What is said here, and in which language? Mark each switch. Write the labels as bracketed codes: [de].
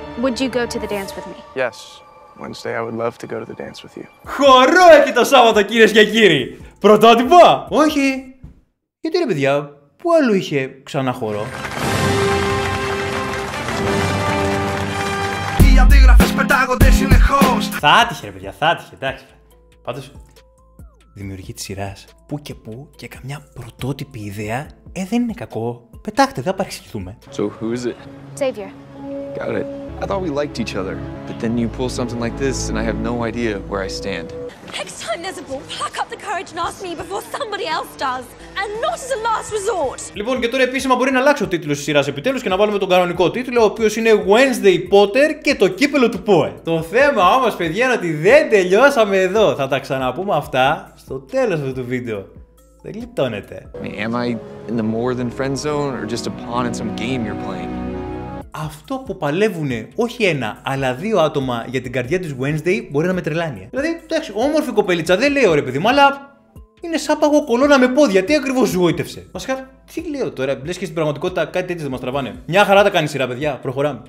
[en] Would you go to the dance with me? Yes. Wednesday, I would love to go to the dance with you. [el] Χορό έχει το Σάββατο, κυρίες και κύριοι! Πρωτότυπο! Όχι! Γιατί ρε παιδιά, πού αλλού είχε ξανά χορό? Οι αντίγραφες πετάγονται συνεχώς. Θα άτυχε ρε παιδιά, θα άτυχε, εντάξει. Πάντως, δημιουργή της σειράς, πού και πού και καμιά πρωτότυπη ιδέα, δεν είναι κακό. Πετάξτε, δεν θα παρεξηγηθούμε. [en] So who is it? Xavier. Got it. I thought we liked each other. But then you pull something like this, and I have no idea where I stand. Next time there's a ball, pluck up the courage and ask me before somebody else does. And not as a last resort. [el] Λοιπόν, και τώρα επίσημα μπορεί να αλλάξει ο τίτλος της σειράς επιτέλους και να βάλουμε τον κανονικό τίτλο, ο οποίος είναι Wednesday Potter και το κύπελο του Poe. Το θέμα όμως, παιδιά, είναι ότι δεν τελειώσαμε εδώ. Θα τα ξαναπούμε αυτά στο τέλος αυτού του βίντεο. Δεν γλιτώνετε. [en] Am I in the more than friend zone or just a pawn in some game you're playing? [el] Αυτό που παλεύουν όχι ένα, αλλά δύο άτομα για την καρδιά της Wednesday μπορεί να με τρελάνει. Δηλαδή, εντάξει, όμορφη κοπελίτσα δεν λέω ρε παιδί μου, αλλά είναι σαν παγό κολόνα με πόδια. Τι ακριβώς σου γόητευσε? Βασικά, τι λέω τώρα, μπλες και στην πραγματικότητα κάτι τέτοιο δεν μας τραβάνε. Μια χαρά τα κάνει σειρά, παιδιά, προχωράμε.